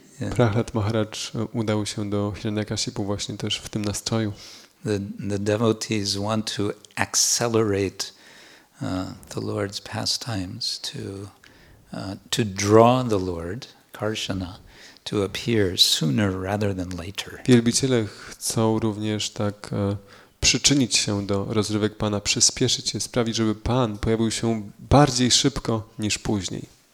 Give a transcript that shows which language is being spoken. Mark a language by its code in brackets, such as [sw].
[pl] Prahlad Maharaj udał się do Hiranyakashipu właśnie też w tym nastroju. [en] The devotees want to accelerate the Lord's pastimes to draw the Lord, Karshana, to appear sooner rather than later. [pl] Wielbiciele chcą również tak przyczynić się do rozrywek Pana, przyspieszyć je, sprawić, żeby Pan pojawił się bardziej szybko niż później.